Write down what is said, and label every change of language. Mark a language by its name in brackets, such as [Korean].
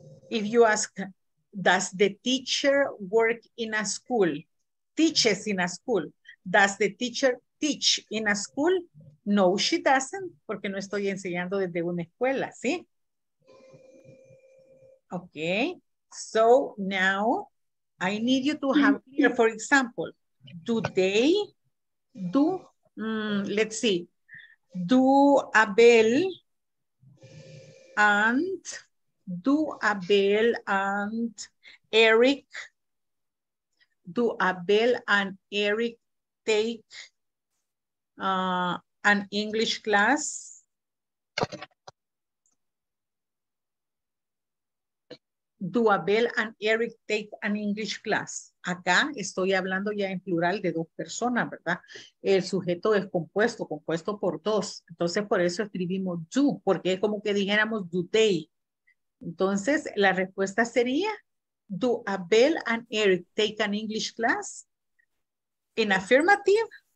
[English] If you ask, does the teacher work in a school? Teaches in a school. Does the teacher teach in a school? No, she doesn't, [Spanish] porque no estoy enseñando desde una escuela, ¿sí? [English] Okay, so now I need you to have clear, for example, do they, do, let's see, do Abel and, do Abel and Eric, do Abel and Eric take an English class? Do Abel and Eric take an English class? [Spanish] Acá estoy hablando ya en plural de dos personas, ¿verdad? El sujeto es compuesto, compuesto por dos. Entonces, por eso escribimos do, porque es como que dijéramos [English] do they. [Spanish] Entonces, la respuesta sería, [English] do Abel and Eric take an English class? In affirmative?